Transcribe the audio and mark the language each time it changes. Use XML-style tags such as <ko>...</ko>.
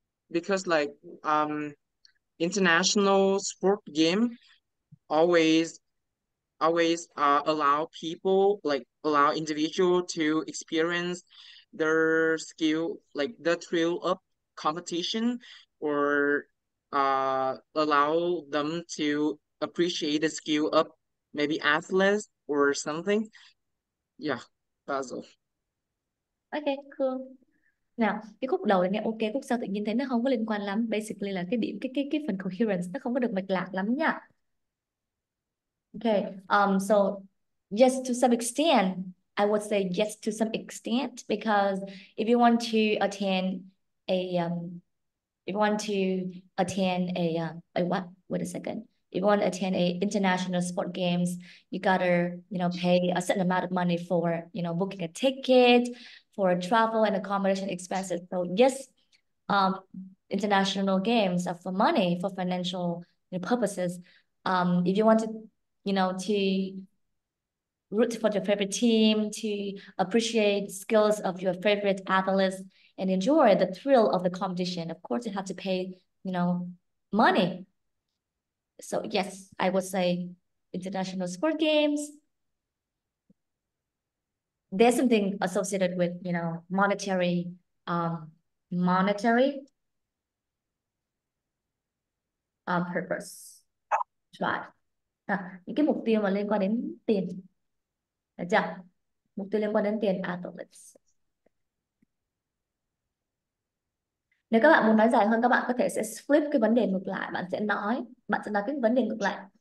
<en>Because, like, international sport game always allow people, like, allow individual to experience their skill, like the thrill of competition, or allow them to appreciate the skill of maybe athletes or something. Yeah, Basil. Okay, cool.</en> <vi>Nào, cái khúc đầu này ok, khúc sau tự nhiên thấy nó không có liên quan lắm. Basically là cái điểm, cái phần coherence nó không có được mạch lạc lắm nha.</vi> <en>Okay, so yes, to some extent, I would say yes to some extent, because if you want to attend a international sport games, you gotta, you know, pay a certain amount of money for, you know, booking a ticket, for travel and accommodation expenses. So yes, international games are for money, for financial purposes. If you want to, you know, to root for your favorite team, to appreciate skills of your favorite athletes and enjoy the thrill of the competition, of course you have to pay, you know, money. So yes, I would say international sport games, there's something associated with, you know, monetary purpose. Right.</en> <vi>À, những cái mục tiêu mà liên quan đến tiền. Được chưa? Mục tiêu liên quan đến tiền athletes. Nếu các bạn muốn nói dài hơn, các bạn có thể sẽ flip cái vấn đề ngược lại. Bạn sẽ nói cái vấn đề ngược lại.</vi>